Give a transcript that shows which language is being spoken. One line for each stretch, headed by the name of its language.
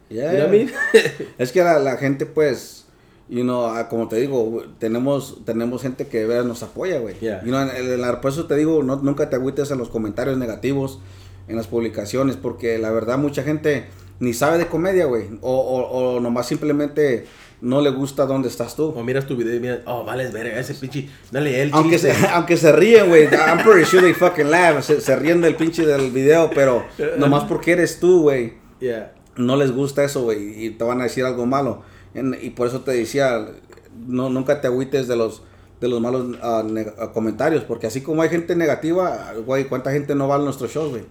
English: Yeah. You know what I mean?
Spanish: Es que la gente, pues, you know, como te digo, tenemos gente que de verdad nos apoya, güey.
English: Yeah.
Spanish: You know, por eso te digo, no, nunca te agüites en los comentarios negativos, en las publicaciones, porque la verdad mucha gente ni sabe de comedia, güey. O nomás simplemente no le gusta dónde estás tú. O miras tu video y miras, oh, vale, ver ese pinche, dale el aunque chiste. Aunque se ríen, güey,
English: I'm pretty sure they fucking laugh.
Spanish: Se ríen del pinche del video, pero nomás porque eres tú, güey.
English: Yeah.
Spanish: No les gusta eso, güey, y te van a decir algo malo. Y por eso te decía, no, nunca te agüites de los malos comentarios, porque así como hay gente negativa, güey, ¿cuánta gente no va a nuestros shows, güey?